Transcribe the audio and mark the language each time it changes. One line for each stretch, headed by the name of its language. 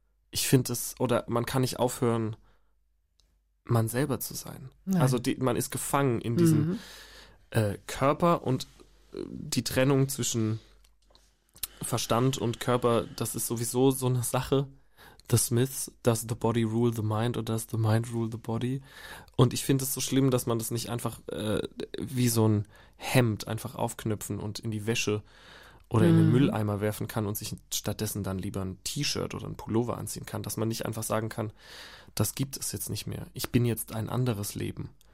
German: Ich finde es, oder man kann nicht aufhören, man selber zu sein. Nein. Also man ist gefangen in diesem Körper und die Trennung zwischen Verstand und Körper, das ist sowieso so eine Sache.
English: The Smiths, does the body rule the mind or does the mind rule the body?
German: Und ich finde es so schlimm, dass man das nicht einfach wie so ein Hemd einfach aufknüpfen und in die Wäsche oder in den Mülleimer werfen kann und sich stattdessen dann lieber ein T-Shirt oder ein Pullover anziehen kann. Dass man nicht einfach sagen kann, das gibt es jetzt nicht mehr. Ich bin jetzt ein anderes Leben.